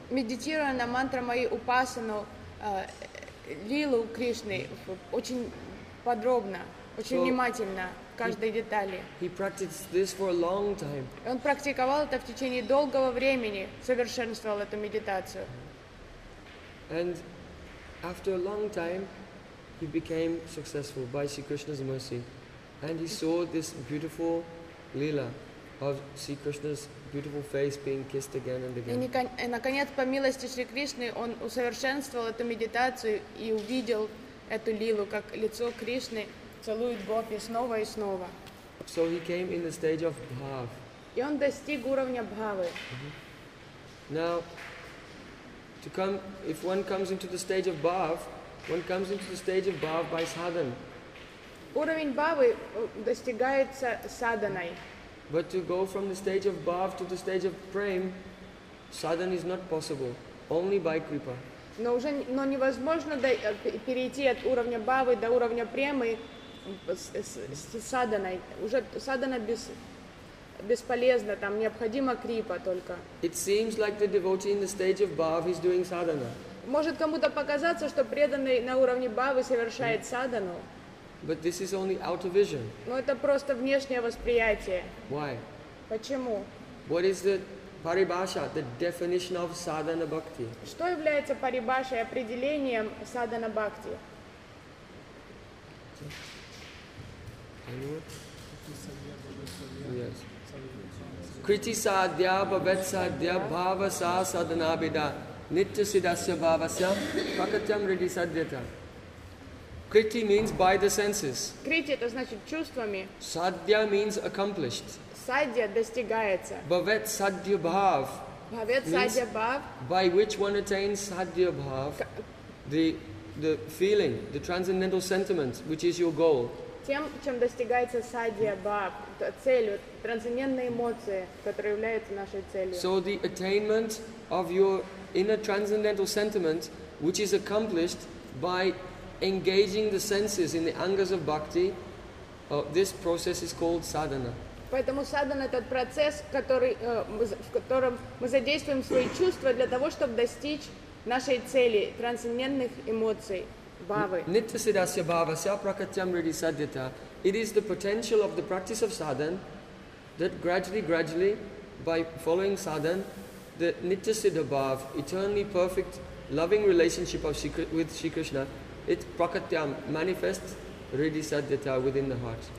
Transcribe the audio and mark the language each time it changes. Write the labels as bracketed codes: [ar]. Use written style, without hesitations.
[ru] Медитируя на мантрамаю упасану лилу Кришны очень подробно, очень внимательно. Каждой детали. [en] He practiced this for a long time. [ru] Он практиковал это в течение долгого времени, совершенствовал эту медитацию. [en] And after a long time, he became successful by Sri Krishna's mercy, and he saw this beautiful lila of Sri Krishna's beautiful face being kissed again and again. [ru] И наконец, по милости Шри Кришны, он усовершенствовал эту медитацию и увидел эту лилу, как лицо Кришны. Целует Гопи снова и снова. [en] So he came in the stage of bhav. [ru] И он достиг уровня бхавы. [en] Now, to come, if one comes into the stage of bhav, one comes into the stage of bhav by sadhan. [ru] Уровень бхавы достигается садханой. [en] But to go from the stage of bhav to the stage of prem, sadhan is not possible, only by kripa. [ru] Но невозможно перейти от уровня бхавы до уровня премы. Садханой. Уже садхана бесполезна, там необходима крипа только. [en] It seems like the devotee in the stage of bhav is doing sadhana. [ru] Может кому-то показаться, что преданный на уровне бхавы совершает садхану. [en] But this is only outer vision. [ru] Но это просто внешнее восприятие. [en] Why? [ru] Почему? [en] What is the paribhasha, the definition of sadhana bhakti? [ru] Что является парибашей, определением садхана бхакти? [sa] Yes. Kriti sadhya bhavet sadhya bhava sa sadhana bida nitya siddhasya bhavasya prakatyam riti sadhyata. [en] Kriti means by the senses. [ru] Kriti это значит чувствами. [en] Sadhya means accomplished. [ru] Sadhya достигается. [sa] Bhavet sadhya bhav. Bhavet sadhya bhav. [en] By which one attains sadhya bhav, the feeling, the transcendental sentiment, which is your goal. [ru] Тем, чем достигается садья бхав, целью, трансцендентные эмоции, которые являются нашей целью. [en] So the attainment of your inner transcendental sentiment, which is accomplished by engaging the senses in the angas of bhakti, this process is called sadhana. [ru] Поэтому садхана это процесс, в котором мы задействуем свои чувства для того, чтобы достичь нашей цели, трансцендентных эмоций. [sa] Nitya siddhasya bhavasya prakatyam riti sadhyata. [en] It is the potential of the practice of sadhan that gradually, by following sadhan, the nitya siddha bhav, eternally perfect, loving relationship of with Sri Krishna, it prakatyam manifests [sa] riti sadhyata [en] within the heart.